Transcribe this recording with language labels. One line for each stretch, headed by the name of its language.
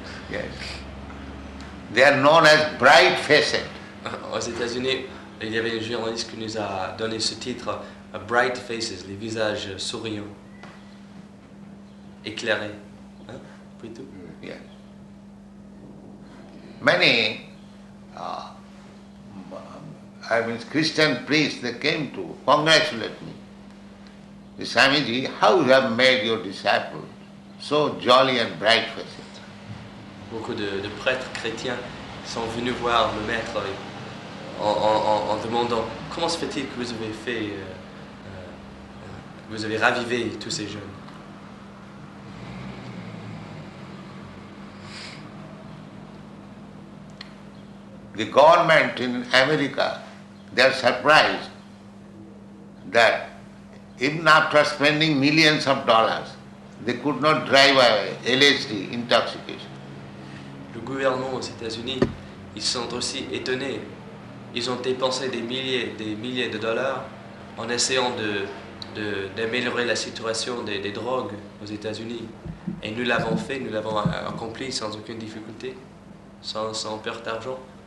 English: Yes. They are known as bright faces.
French: Aux États-Unis, il y avait un journaliste qui nous a donné ce titre, Bright Faces, les visages souriants, éclairés, hein, plutôt.
English: Yes. Many, Christian priests, they came to congratulate me. The Swamiji, how you have made your disciples so jolly and bright faces?
French: Beaucoup de prêtres chrétiens sont venus voir le maître. En demandant comment se fait-il que vous avez fait, vous avez ravivé tous ces jeunes.
English: The government in America, they are surprised that even after spending millions of dollars, they could not drive away LSD intoxication.
French: Le gouvernement aux États-Unis, ils sont aussi étonnés. Ils ont dépensé des milliers de dollars en essayant d'améliorer la situation des drogues aux États-Unis. Et nous l'avons fait, nous l'avons accompli sans aucune difficulté, sans perte d'argent.